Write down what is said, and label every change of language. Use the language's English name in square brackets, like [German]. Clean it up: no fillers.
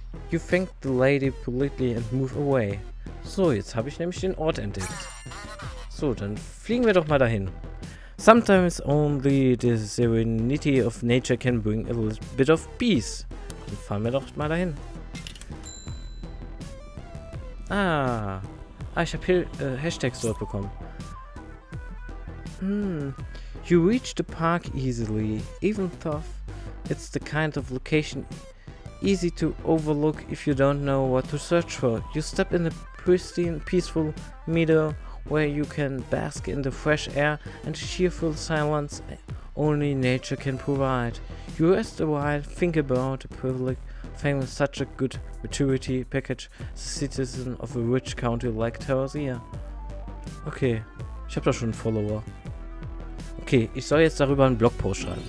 [English] You thank the lady politely and move away. [German] So, jetzt habe ich nämlich den Ort entdeckt. So, dann fliegen wir doch mal dahin. [English] Sometimes only the serenity of nature can bring a little bit of peace. [German] Dann fahren wir doch mal dahin. Ah, ich habe hier Hashtags dort bekommen. [English] You reach the park easily, even though it's the kind of location easy to overlook if you don't know what to search for. You step in a pristine, peaceful meadow where you can bask in the fresh air and cheerful silence only nature can provide. You rest a while, think about the privilege of having such a good maturity package as a citizen of a rich county like Tarasia. [German] Okay, ich hab da schon einen Follower. Okay, ich soll jetzt darüber einen Blogpost schreiben.